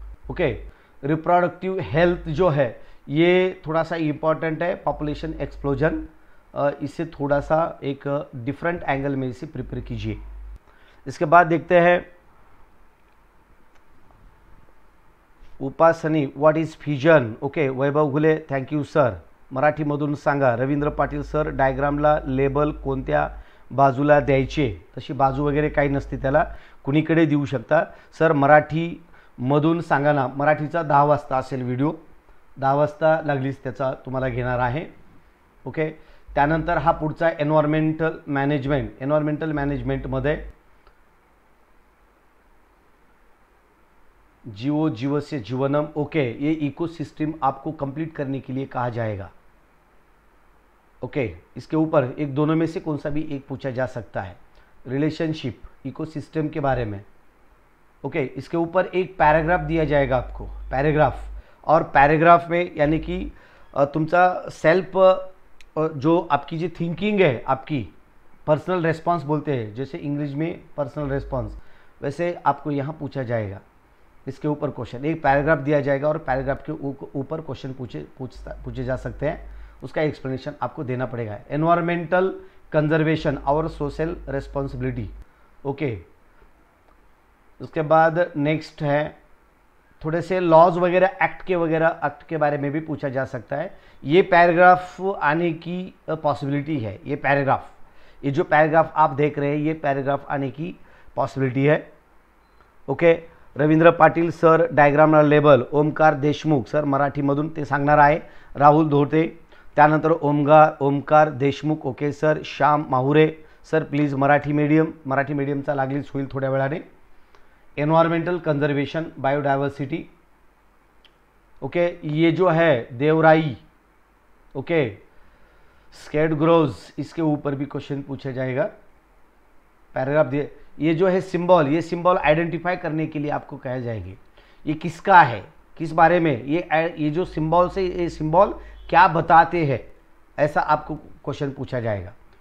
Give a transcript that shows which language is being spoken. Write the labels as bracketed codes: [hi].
[hi] Okay, reproductive health जो है ये थोड़ा सा इम्पॉर्टेंट है. पॉपुलेशन एक्सप्लोजन, इसे थोड़ा सा एक डिफरेंट एंगल में इसे प्रिपेयर कीजिए. इसके बाद देखते हैं Upasani, what is fusion. [mr] Okay, Vaibhav Ghule, [en] Thank you sir. [mr] Marathi मधून सांगा. रवींद्र पाटील सर, डायग्रामला लेबल कोणत्या बाजूला द्यायचे, तशी बाजू वगैरे काही नसते, त्याला कुणीकडे देऊ शकता. सर मराठी मधून सांगा ना. मराठीचा 10 वाजता असेल व्हिडिओ, 10 वाजता लागलीच त्याचा तुम्हाला घेणार आहे. ओके, त्यानंतर हा पुढचा एन्व्हायरमेंटल मॅनेजमेंट, एन्व्हायरमेंटल मॅनेजमेंटमध्ये जीवो जीवस्य जीवनम. [hi] ओके, ये इकोसिस्टम आपको कंप्लीट करने के लिए कहा जाएगा. ओके, इसके ऊपर एक दोनों में से कौन सा भी एक पूछा जा सकता है. रिलेशनशिप इकोसिस्टम के बारे में. ओके, इसके ऊपर एक पैराग्राफ दिया जाएगा आपको, पैराग्राफ. और पैराग्राफ में यानी कि [mr] तुमचा [hi] सेल्फ, जो आपकी जो थिंकिंग है, आपकी पर्सनल रेस्पॉन्स बोलते हैं, जैसे इंग्लिश में पर्सनल रेस्पॉन्स, वैसे आपको यहाँ पूछा जाएगा. इसके ऊपर क्वेश्चन, एक पैराग्राफ दिया जाएगा और पैराग्राफ के ऊपर क्वेश्चन पूछे जा सकते हैं. उसका एक्सप्लेनेशन आपको देना पड़ेगा. Environmental conservation, our social responsibility. Okay, उसके बाद नेक्स्ट है थोड़े से लॉज वगैरह, एक्ट के वगैरह, एक्ट के बारे में भी पूछा जा सकता है. ये पैराग्राफ आने की पॉसिबिलिटी है. ये पैराग्राफ, ये जो पैराग्राफ आप देख रहे हैं, ये पैराग्राफ आने की पॉसिबिलिटी है. [mr] Okay, Ravindra Patil sir, diagram label. Omkar Deshmukh sir मराठीमधून ते सांगणार आहे. राहुल धोटे, त्यानंतर Omkar Deshmukh. Okay sir, Shyam Mahure sir, please Marathi medium, Marathi मीडियमचा लागलीच होईल थोड्या वेळाने. [en] Environmental conservation, biodiversity. [hi] ओके, ये जो है देवराई. ओके, स्केट ग्रोव्स, इसके ऊपर भी क्वेश्चन पूछा जाएगा. पैराग्राफ दिए, ये जो है सिंबल, ये सिंबल आइडेंटिफाई करने के लिए आपको कहा जाएगी. ये किसका है, किस बारे में, ये जो सिंबल से, ये सिंबल क्या बताते हैं, ऐसा आपको क्वेश्चन पूछा जाएगा.